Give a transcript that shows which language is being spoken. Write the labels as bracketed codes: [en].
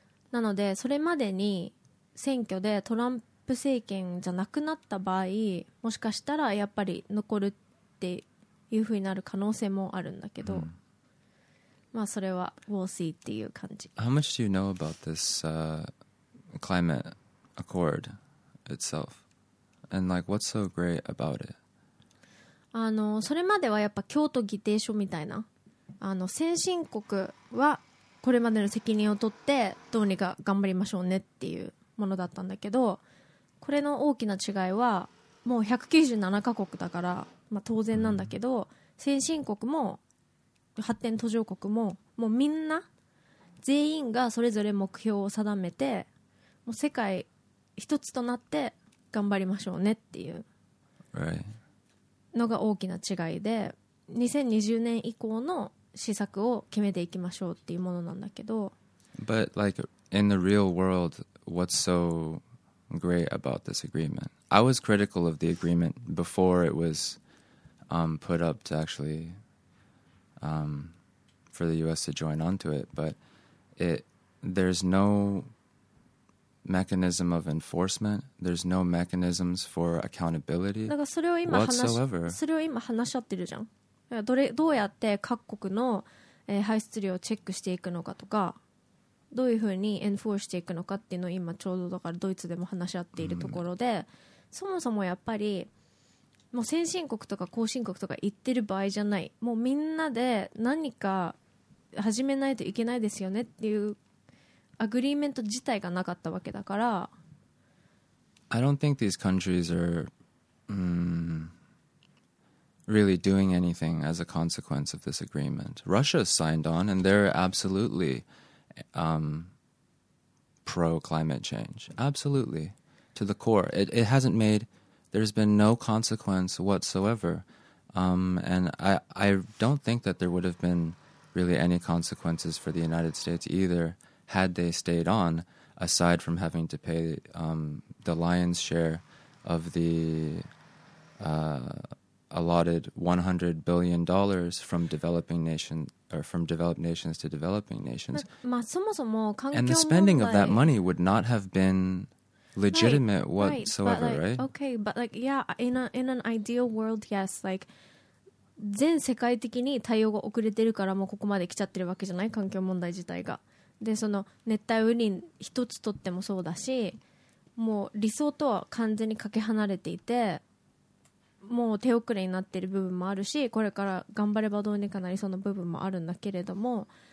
[ja] なのでそれまでに選挙でトランプ政権じゃなくなった場合、もしかしたらやっぱり残るっていう風になる可能性もあるんだけど、まあそれは [en] we'll see [ja] っていう感じ。 [en] How much do you know about this climate accord itself? And like what's so great about it? [ja] それまではやっぱ京都議定書みたいな、先進国はこれまでの責任を取ってどうにか頑張りましょうねっていうものだったんだけど、これの大きな違いはもう197カ国だから、まあ、当然なんだけど、先進国も発展途上国ももうみんな全員がそれぞれ目標を定めて、もう世界一つとなって頑張りましょうねっていうのが大きな違いで、2020年以降の施策を決めていきましょうっていうものなんだけど、 [en] But like in the real world, what's soGreat about this agreement. I was critical of the agreement before it was put up to actually for the U.S. to join onto it, but there's no mechanism of enforcement. There's no mechanisms for accountability whatsoever. それを今話し合ってるじゃん。どうやって各国の、排出量をチェックしていくのかとか、どういうふうにエンフォースしていくのかっていうのを今ちょうどだからドイツでも話し合っているところで、そもそもやっぱりもう先進国とか後進国とか言ってる場合じゃない、もうみんなで何か始めないといけないですよねっていうアグリーメント自体がなかったわけだから、 I don't think these countries are really doing anything as a consequence of this agreement. Russia signed on and they're absolutelypro climate change, absolutely to the core. It hasn't made. There's been no consequence whatsoever, and I don't think that there would have been really any consequences for the United States either had they stayed on, aside from having to pay the lion's share of the allotted $100 billion from developing nations. Or from developed nations to developing nations. [ja] まあ、そもそも環境問題、 [en] And the spending of that money would not have been legitimate whatsoever, but like, right? Okay, but like, yeah, in an ideal world, yes. [ja] Like, 全世界的に対応が遅れてるから、もうここまで来ちゃってるわけじゃない、環境問題自体が。でその熱帯雨林一つとってもそうだし、もう理想とは完全にかけ離れていて、もう手遅れになっている部分もあるし、これから頑張ればどうにかなりそうな部分もあるんだけれども、